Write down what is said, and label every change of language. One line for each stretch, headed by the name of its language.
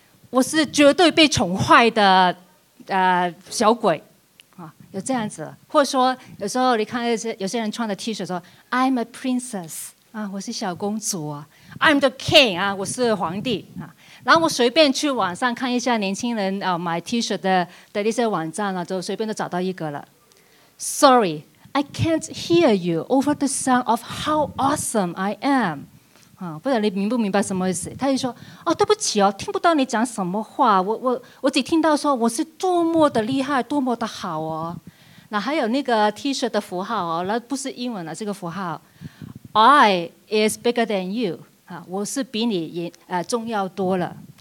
Chinese: 我是绝对被宠坏的。小鬼，有这样子，或者说有时候你看有些人穿的 T 恤说
English: I'm a princess
Chinese: 啊，我是小公主啊 ，
English: I'm the king
Chinese: 啊，我是皇帝啊。然后我随便去网上看一下年轻人买 T 恤的那些网站了，就随便都找到一个了。
English: Sorry, I can't hear you over the sound of how awesome I am。
Chinese: 不然你明不明白什么意思？他就说：“哦，对不起哦，听不到你讲什么话。我只听到说我是多么的厉害，多么的好哦。那还有那个 T 恤的符号哦，那不是英文的这个符号 ，
English: I is bigger than you
Chinese: 啊，我是比你重要多了。